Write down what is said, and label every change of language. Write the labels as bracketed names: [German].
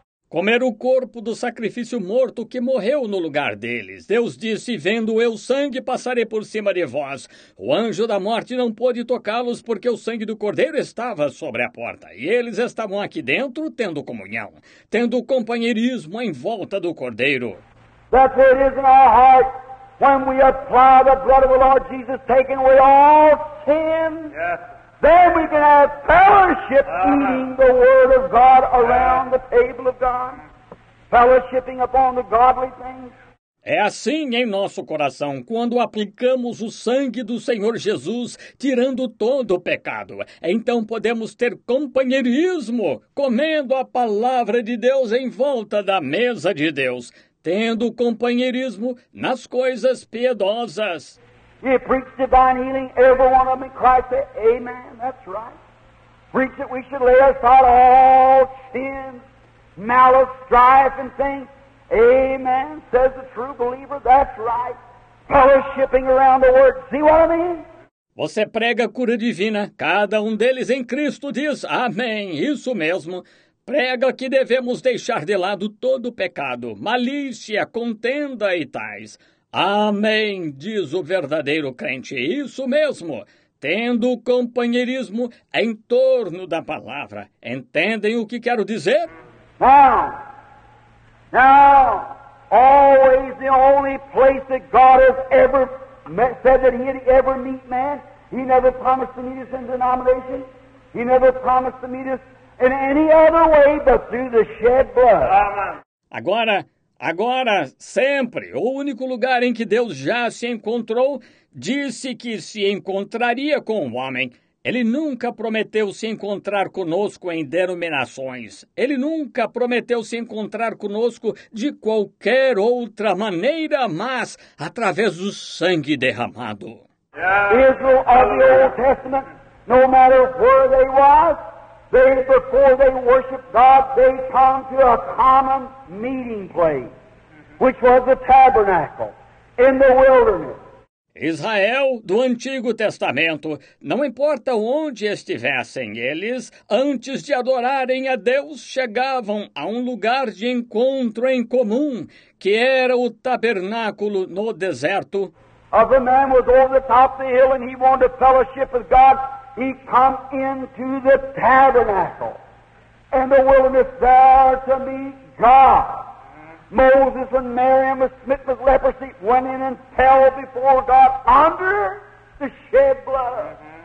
[Portuguese] Comer o corpo do sacrifício morto que morreu no lugar deles. Deus disse, vendo eu sangue, passarei por cima de vós. O anjo da morte não pôde tocá-los porque o sangue do cordeiro estava sobre a porta. E eles estavam aqui dentro, tendo comunhão, tendo companheirismo em volta do cordeiro. [English] That's what it is in our heart when we apply the blood of the Lord Jesus, taking away all sin. Yes. Then we can have fellowship eating the Word of God around the table of God, fellowshipping upon the godly things. [Portuguese] É assim em nosso coração, quando aplicamos o sangue do Senhor Jesus, tirando todo o pecado. Então podemos ter companheirismo, comendo a palavra de Deus em volta da mesa de Deus, tendo companheirismo nas coisas piedosas. [English] You preach divine healing, every one of them in Christ said, amen, that's right. Preach that we should lay aside all sin, malice, strife, and things. Amen, says the true believer, that's right. Fellowshipping around the word, see what I mean? [Portuguese] Você prega cura divina, cada um deles em Cristo diz, amém, isso mesmo. Prega que devemos deixar de lado todo o pecado, malícia, contenda e tais. Amém, diz o verdadeiro crente, isso mesmo, tendo companheirismo em torno da palavra. Entendem o que quero dizer? [English] Now, always the only place that God has ever said that he'd ever meet man, he never promised to meet us in denomination, he never promised to meet us in any other way but through the shed blood. [Portuguese] Agora, sempre, o único lugar em que Deus já se encontrou, disse que se encontraria com o homem. Ele nunca prometeu se encontrar conosco em denominações. Ele nunca prometeu se encontrar conosco de qualquer outra maneira, mas através do sangue derramado. [English] Israel of the Old Testament, no matter where they was, they, before they worshiped God, they come to a common meeting place, which was the tabernacle in the wilderness. [Portuguese] Israel do Antigo Testamento, não importa onde estivessem eles, antes de adorarem a Deus, chegavam a um lugar de encontro em comum, que era o tabernáculo no deserto. [English] The man was over the top of the hill and he wanted to fellowship with God. He come into the tabernacle in the wilderness there to meet God. Moses and Miriam were smitten with leprosy, went in and fell before God under the shed blood.